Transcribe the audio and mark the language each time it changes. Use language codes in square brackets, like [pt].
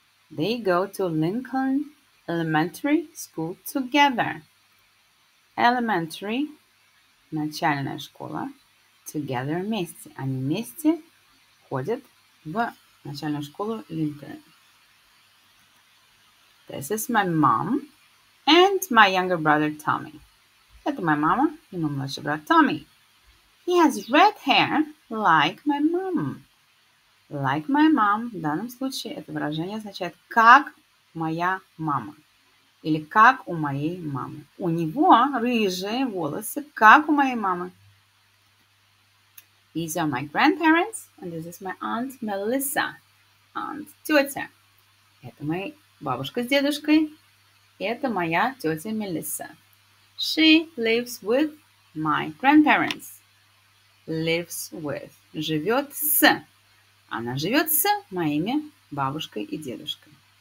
[en] They go to Lincoln Elementary School together. Elementary – [ru] начальная школа. [en] Together – [ru] вместе. Они вместе ходят в начальную школу Lincoln. [en] This is my mom and my younger brother Tommy. [ru] Это моя мама и мой младший брат Tommy. [en] He has red hair like my mom. Like my mom [ru] в данном случае это выражение означает как моя мама или как у моей мамы. У него рыжие волосы, как у моей мамы. [en] These are my grandparents and this is my aunt Melissa. Aunt [ru] тетя. Это мои бабушка с дедушкой. Это моя тетя Мелисса. [en] She lives with my grandparents. [ru] Lives with. Живет с. Она живет с моими бабушкой и дедушкой.